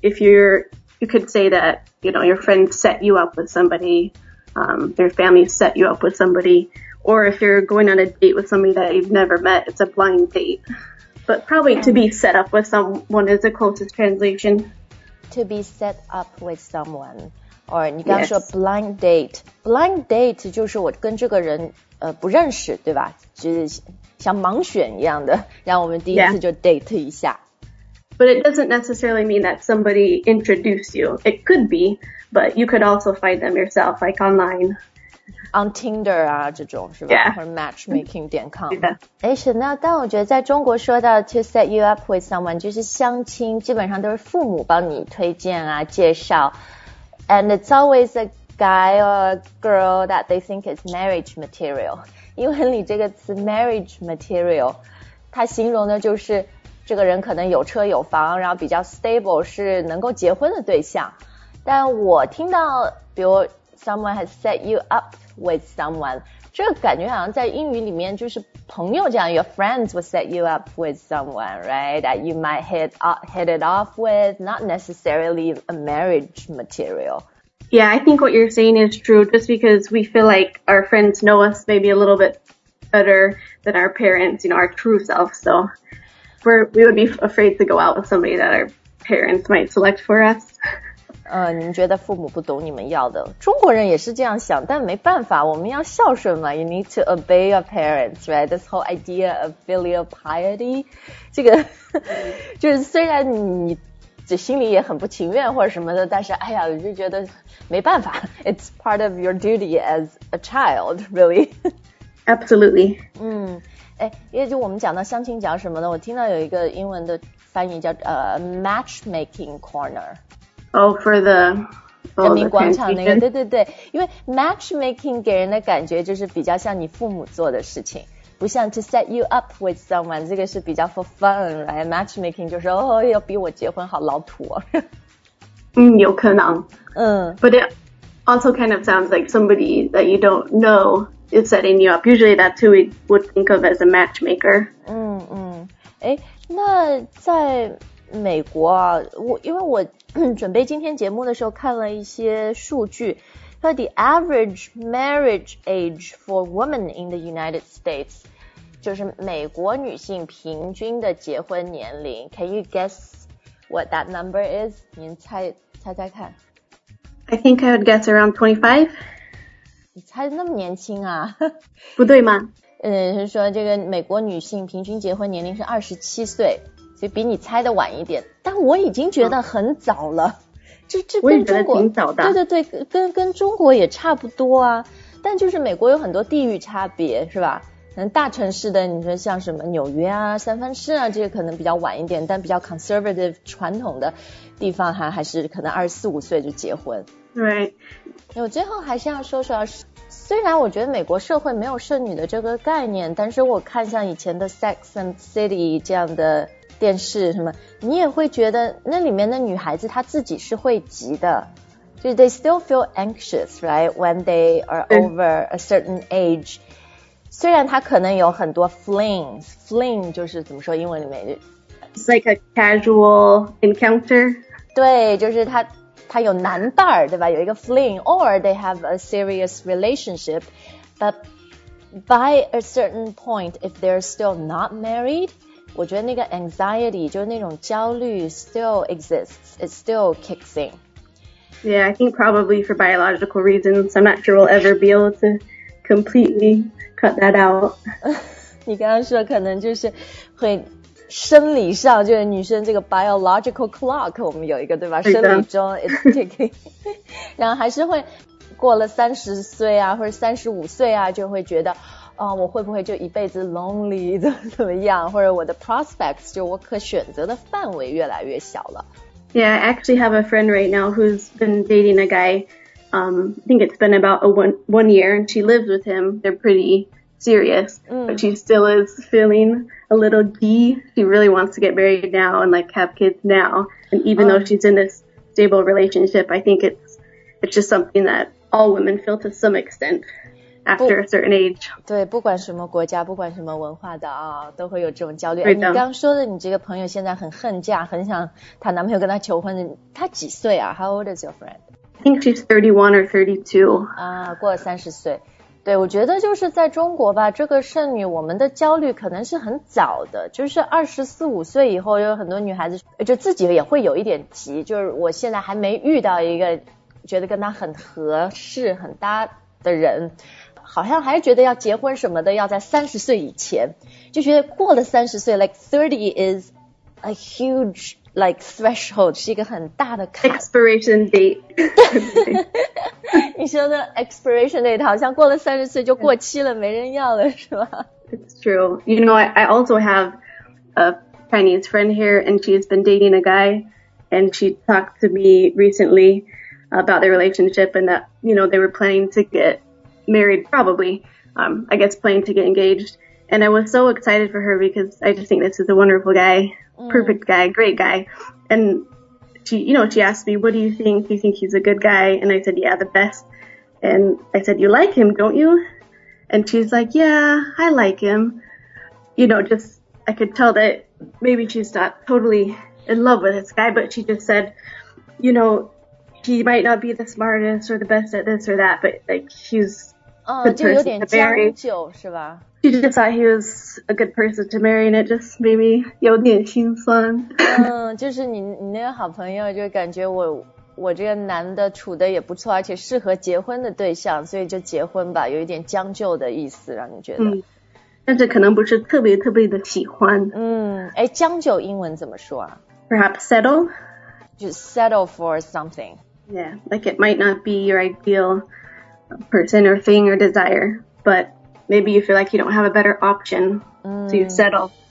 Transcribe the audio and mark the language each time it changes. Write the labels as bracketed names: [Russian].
[English] If you could say that, you know, your friend set you up with somebody, their family set you up with somebody, or if you're going on a date with somebody that you've never met, it's a blind date. But probably to be set up with someone is the closest translation. To be set up with someone. Or [Chinese] 你刚说 [English] blind date、 yes. [Chinese] blind date 就是我跟这个人不认识对吧就是像盲选一样的让我们第一次就 date 一下、 [English] yeah. but it doesn't necessarily mean that somebody introduced you it could be but you could also find them yourself like online [Chinese] on Tinder 啊这种是吧、 [English] yeah. or matchmaking.com、 yeah. [Chinese] 诶 Chanel 但我觉得在中国说到 [English] to set you up with someone [Chinese] 就是相亲基本上都是父母帮你推荐啊介绍 [English] And it's always a guy or a girl that they think is marriage material. [Chinese] 因为你这个词 [English] marriage material, [Chinese] 它形容的就是这个人可能有车有房然后比较 stable 是能够结婚的对象。但我听到比如 [English] someone has set you up with someone, [Chinese] 这个感觉好像在英语里面就是朋友讲 [English] your friends will set you up with someone, right? That you might hit it off with, not necessarily a marriage material. Yeah, I think what you're saying is true, just because we feel like our friends know us maybe a little bit better than our parents, you know, our true self. So we would be afraid to go out with somebody that our parents might select for us. [Chinese] 你们觉得父母不懂你们要的，中国人也是这样想，但没办法，我们要孝顺嘛。 [English] You need to obey your parents, right? This whole idea of filial piety, [Chinese] 这个就是虽然你这心里也很不情愿或者什么的，但是哎呀，就觉得没办法。 [English] It's part of your duty as a child, really. Absolutely. [Chinese] 哎，因为就我们讲到相亲角什么的，我听到有一个英文的翻译叫 [English] matchmaking corner。 Oh, for the [Chinese] 人民广场那个，对对对，因为 matchmaking 给人的感觉就是比较像你父母做的事情，不像 [English] to set you up with someone, [Chinese] 这个是比较 [English] for fun, right? [Chinese] Matchmaking 就是哦，要逼我结婚，好老土哦。嗯，有可能。嗯。 [English] But it also kind of sounds like somebody that you don't know is setting you up. Usually that's who we would think of as a matchmaker. [Chinese] 嗯嗯。哎，那在美国啊，因为我准备今天节目的时候看了一些数据，它的 [English] average marriage age for women in the United States [Chinese] 就是美国女性平均的结婚年龄。 [English] Can you guess what that number is? [Chinese] 您猜猜猜看。 [English] I think I would guess around 25. [Chinese] 你猜那么年轻啊？不对吗？是说这个美国女性平均结婚年龄是27岁，就比你猜的晚一点，但我已经觉得很早了。这跟中国，我也觉得挺早的。对对对，跟中国也差不多啊。但就是美国有很多地域差别，是吧？可能大城市的，你说像什么纽约啊、三藩市啊，这些可能比较晚一点，但比较 conservative 传统的地方还是可能24、25岁就结婚。对。我最后还是要说说，虽然我觉得美国社会没有剩女的这个概念，但是我看像以前的 Sex and City 这样的电视什么，你也会觉得那里面的女孩子她自己是会急的，就是 [English] they still feel anxious, right, when they are over a certain age. [Chinese] 虽然她可能有很多 fling 就是怎么说英文里面 [English] It's like a casual encounter. [Chinese] 对，就是她有男伴儿，对吧，有一个 [English] fling, or they have a serious relationship, but by a certain point, if they're still not married, [Chinese] 我觉得那个 [English] anxiety [Chinese] 就是那种焦虑 [English] still exists, it still kicks in. Yeah, I think probably for biological reasons, I'm not sure we'll ever be able to completely cut that out. [Chinese] 你刚刚说可能就是会生理上，就是女生这个 [English] biological clock [Chinese] 我们有一个，对吧？对，生理钟 [English] it's ticking. [Chinese] 然后还是会过了30岁啊或者35岁啊就会觉得哦，我会不会就一辈子 lonely 怎么样，或者我的 prospects 就我可选择的范围越来越小了。 [English] Yeah, I actually have a friend right now who's been dating a guy, I think it's been about one year, and she lives with him. They're pretty serious, but she still is feeling a little gee. She really wants to get married now and like have kids now. And even though she's in this stable relationship, I think it's just something that all women feel to some extent. After a certain age. [Chinese] 对，不管什么国家，不管什么文化的啊，都会有这种焦虑。你刚说的你这个朋友现在很恨嫁，很想她男朋友跟她求婚，她几岁啊？ [English] How old is your friend? I think she's 31 or 32. [Chinese] 啊，过了30岁。对，我觉得就是在中国吧，这个剩女我们的焦虑可能是很早的，就是24、25岁以后，有很多女孩子就自己也会有一点急，就是我现在还没遇到一个觉得跟她很合适很搭的人，好像还觉得要结婚什么的要在30岁以前，就觉得过了30岁 [English] like 30 is a huge like threshold, [Chinese] 是一个很大的坎。 [English] expiration date. [Chinese] 你说的 [English] expiration date [Chinese] 好像过了30岁就过期了，没人要了，是吧？ [English] It's true. You know, I also have a Chinese friend here, and she's been dating a guy, and she talked to me recentlyabout their relationship and that, you know, they were planning to get married, probably, I guess planning to get engaged. And I was so excited for her because I just think this is a wonderful guy, perfect guy, great guy. And she, you know, she asked me, what do you think? Do you think he's a good guy? And I said, yeah, the best. And I said, you like him, don't you? And she's like, yeah, I like him. You know, just, I could tell that maybe she's not totally in love with this guy, but she just said, you know,He might not be the smartest or the best at this or that, but like he's a good person to marry. 是吧？ She just thought he was a good person to marry, and it just made me [Chinese] 有点心酸。就是你那个好朋友，就感觉我我这个男的处的也不错，而且适合结婚的对象，所以就结婚吧，有一点将就的意思，让你觉得。嗯，但是可能不是特别特别的喜欢。嗯，哎，将就英文怎么说啊？ [English] Perhaps settle. Just settle for something. Yeah, like it might not be your ideal person or thing or desire, but maybe you feel like you don't have a better option, so you settle.